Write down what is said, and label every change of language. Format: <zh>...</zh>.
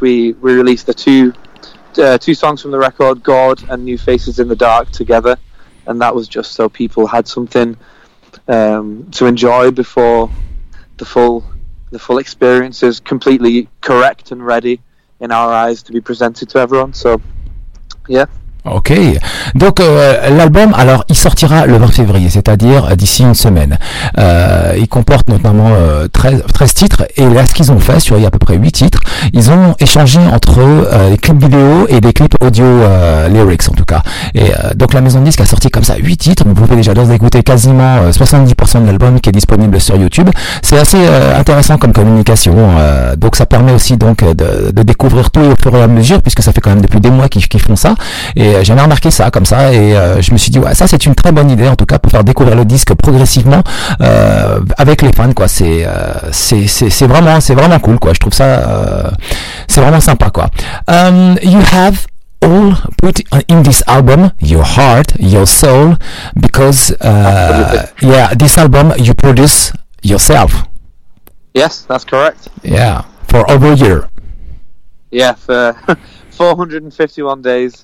<en>We released the two songs from the record, God and New Faces in the Dark, together, and that was just so people had something to enjoy before the full experience is completely correct and ready in our eyes to be presented to everyone. So, yeah.</en> <fr>Ok, donc l'album, alors il sortira le 20 février, c'est-à-dire d'ici une semaine. Il comporte notamment 13 titres, et là ce qu'ils ont fait, sur il y a à peu près 8 titres, ils ont échangé entre les clips vidéo et des clips audio lyrics en tout cas. Et donc la maison de disque a sorti comme ça 8 titres, vous pouvez déjà écouter quasiment 70% de l'album qui est disponible sur YouTube. C'est assez intéressant comme communication, donc ça permet aussi donc de découvrir tout au fur et à mesure, puisque ça fait quand même depuis des mois qu'ils font ça. Et j'avais remarqué ça comme ça, et je me suis dit ouais, ça c'est une très bonne idée en tout cas pour faire découvrir le disque progressivement avec les fans, quoi. C'est vraiment cool, quoi. Je trouve ça c'est vraiment sympa, quoi.</fr> <en>You have all put in this album your heart, your soul, because this album you produce yourself. Yes, that's correct. Yeah, for over a year. Yeah, for 451 days.</en>